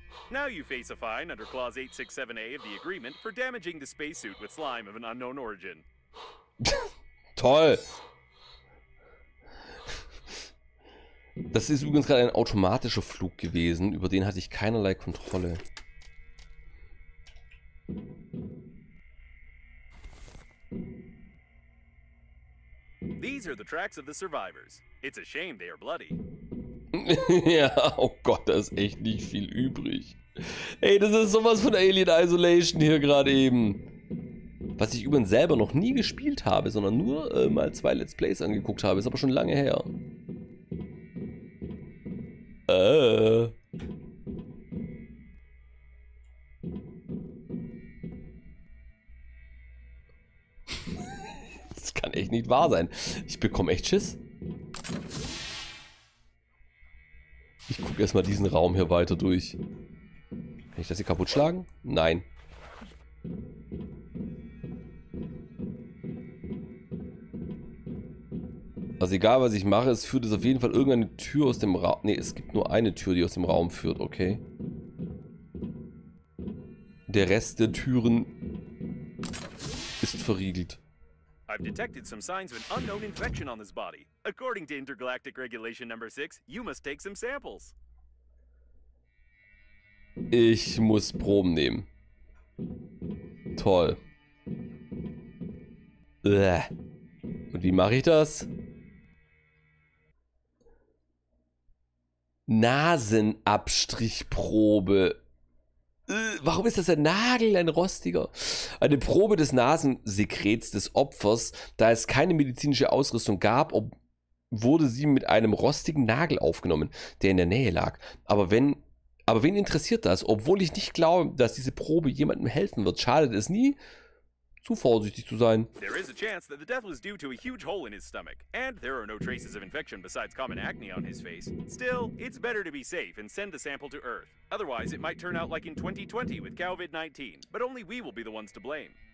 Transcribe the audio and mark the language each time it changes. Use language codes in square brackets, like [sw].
[en] Now you face a fine under clause 867A of the agreement for damaging the spacesuit with slime of an unknown origin. [de] Toll! Das ist übrigens gerade ein automatischer Flug gewesen, über den hatte ich keinerlei Kontrolle. [en] These are the tracks of the survivors. It's a shame they are bloody. [de] Ja, oh Gott, da ist echt nicht viel übrig. Ey, das ist sowas von Alien Isolation hier gerade eben. Was ich übrigens selber noch nie gespielt habe, sondern nur mal 2 Let's Plays angeguckt habe. Ist aber schon lange her. Das kann echt nicht wahr sein. Ich bekomme echt Schiss. Ich gucke erstmal diesen Raum hier weiter durch. Kann ich das hier kaputt schlagen? Nein. Also egal, was ich mache, es führt jetzt auf jeden Fall irgendeine Tür aus dem Raum. Ne, es gibt nur eine Tür, die aus dem Raum führt, okay. Der Rest der Türen ist verriegelt. [en] I've detected some signs of an unknown infection on this body. According to Intergalactic Regulation Number 6, you must take some samples. [de] Ich muss Proben nehmen. Toll. Bleh. Und wie mache ich das? Nasenabstrichprobe. Warum ist das ein Nagel, ein rostiger? Eine Probe des Nasensekrets des Opfers, da es keine medizinische Ausrüstung gab, wurde sie mit einem rostigen Nagel aufgenommen, der in der Nähe lag. Aber wen interessiert das? Obwohl ich nicht glaube, dass diese Probe jemandem helfen wird, schadet es nie, zu vorsichtig zu sein. [en] There is a chance that the death was due to a huge hole in his stomach, and there are no traces of infection besides common acne on his face. Still, it's better to be safe and send the sample to Earth. Otherwise, it might turn out like in 2020 with COVID-19, but only we will be the ones to blame.